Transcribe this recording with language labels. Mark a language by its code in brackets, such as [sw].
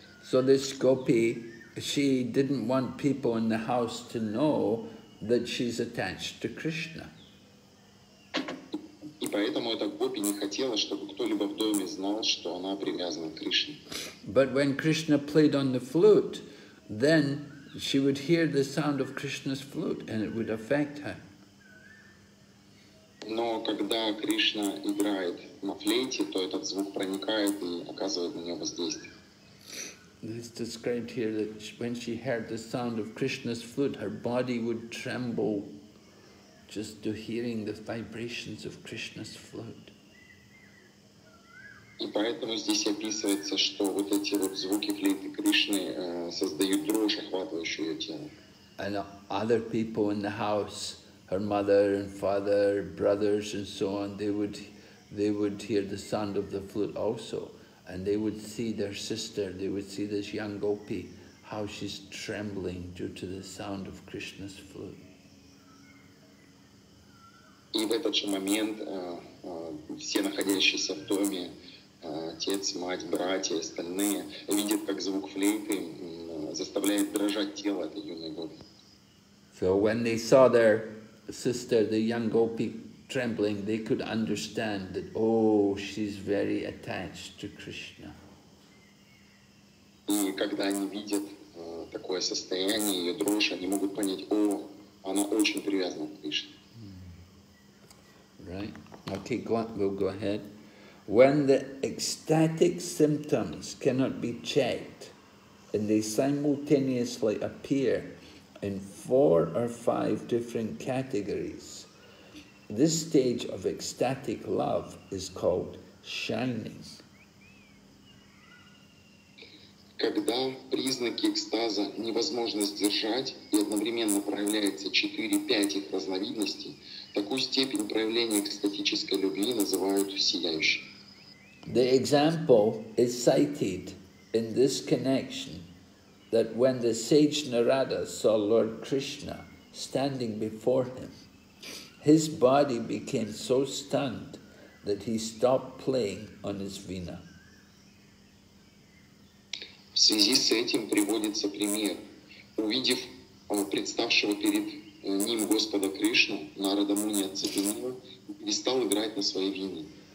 [en] So this gopi, she didn't want people in the house to know that she's attached to Krishna. [ru] И поэтому эта гопи не хотела, чтобы кто-либо в доме знал, что она привязана к Кришне. [en] But when Krishna played on the flute, then she would hear the sound of Krishna's flute, and it would affect her. [ru] Но когда Кришна играет на флейте, то этот звук проникает и оказывает на нее воздействие. [en] It's described here that when she heard the sound of Krishna's flute, her body would tremble just to hearing the vibrations of Krishna's flute. [ru] И поэтому здесь описывается, что вот эти вот звуки флейты Кришны создают дрожь, охватывающую ее тело. [en] And other people in the house, her mother and father, brothers and so on, they would hear the sound of the flute also. And they would see their sister, they would see this young gopi, how she's trembling due to the sound of Krishna's flute. [ru] И в этот же момент все находящиеся в доме, отец, мать, братья и остальные, видят, как звук флейты заставляет дрожать тело этой юной гопи. [en] So when they saw their sister, the young gopi, trembling, they could understand that, oh, she's very attached to Krishna. [ru] И когда они видят такое состояние, ее дрожь, они могут понять, о, она очень привязана к Кришне. [en] Right. Okay, we'll go ahead. When the ecstatic symptoms cannot be checked and they simultaneously appear in four or five different categories, this stage of ecstatic love is called shining. [ru] Когда признаки экстаза невозможно сдержать и одновременно проявляется 4-5 их разновидностей, такую степень проявления экстатической любви называют сияющей. [en] The example is cited in this connection that when the sage Narada saw Lord Krishna standing before him, his body became so stunned that he stopped playing on his Vina. [ru] В связи с этим приводится пример. Увидев представшего перед ним Господа Кришну, Нарада Муни оцепенел и стал играть на своей Вине.